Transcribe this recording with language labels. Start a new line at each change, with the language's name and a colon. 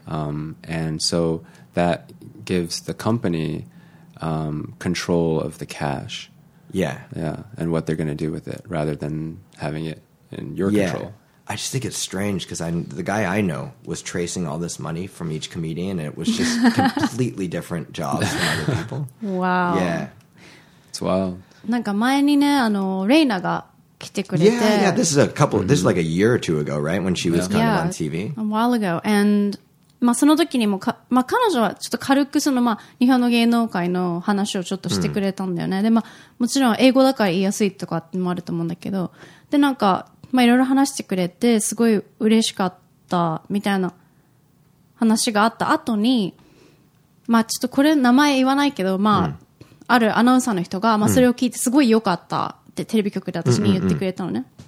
English: And so that gives the company control of the cash. Yeah. Yeah. And what they're going to do with it rather than having it in your control. I just think it's strange because the guy I know was tracing all this money from each comedian and it was just completely different jobs from other people. Wow. Yeah. Wow.
Japanese: なんか前にね、あの、レイナが来てくれて。
English: Yeah, yeah, this is a couple, this is like a year or two ago, right? When she was kind of on TV. A while ago.
Japanese: And, まあその時にも、まあ彼女はちょっと軽くその、まあ日本の芸能界の話をちょっとしてくれたんだよね。で、まあもちろん英語だから言いやすいとかもあると思うんだけど、で、なんか、まあいろいろ話してくれて、すごい嬉しかったみたいな話があった後に、まあちょっとこれ名前言わないけど、まあ、あるアナウンサーの人が、まあ、それを聞いてすごい良かったってテレビ局で私に言ってくれたのね。